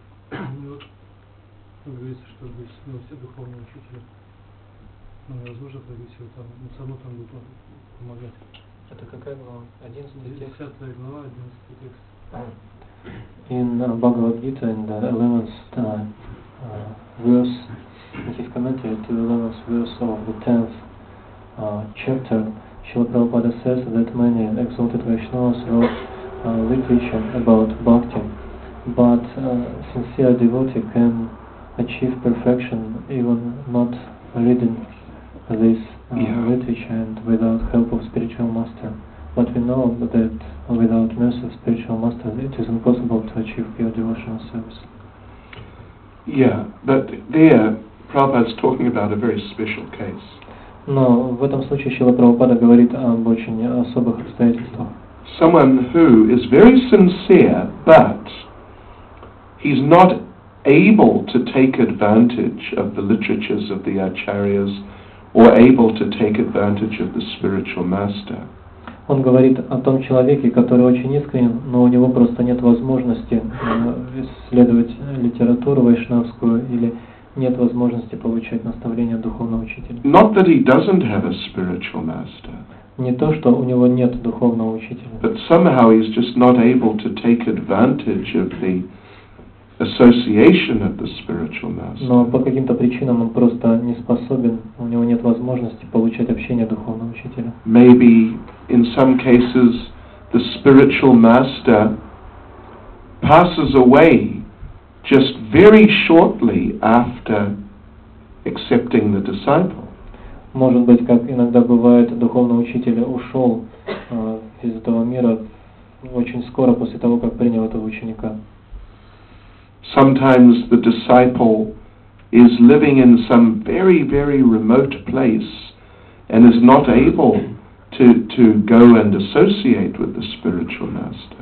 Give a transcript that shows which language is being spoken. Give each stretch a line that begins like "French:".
Russian: Как говорится, чтобы все духовные учителя Ну, я тоже зависел там, но все равно там будет помогать. Это какая глава? 11 текст? 10 глава, 11 текст.
English: In Bhagavad Gita, in the 11th verse, in his commentary to the 11th verse of the 10th chapter, Śrīla Prabhupāda says that many exalted Vaishnavas wrote literature about bhakti, but a sincere devotee can achieve perfection even not reading this literature and without help of spiritual master. But we know that without mercy of spiritual master, it is impossible to achieve pure devotional service. Yeah, but there, Prabhupada is talking about a very special case.
Russian: Но в этом случае Шрила Прабхупада говорит об очень особых обстоятельствах.
English: Someone who is very sincere, but he's not able to take advantage of the literatures of the acharyas, or able to take advantage of the spiritual master.
Russian: Он говорит о том человеке, который очень искренен, но у него просто нет возможности исследовать литературу вайшнавскую или нет возможности получать наставление духовного учителя.
English: Not that he doesn't have a spiritual master.
Russian: Не то, что у него нет духовного учителя.
English: But somehow he's just not able to take advantage of the association of the spiritual master.
Russian: Но по каким-то причинам он просто не способен, у него нет возможности получать общение духовного учителя.
English: Maybe in some cases the spiritual master passes away just very shortly after accepting the disciple.
Russian: Может быть, как иногда бывает, духовный учитель ушел из этого мира очень скоро после того, как принял этого ученика.
English: Sometimes the disciple is living in some very, very remote place and is not able to go and associate with the spiritual master.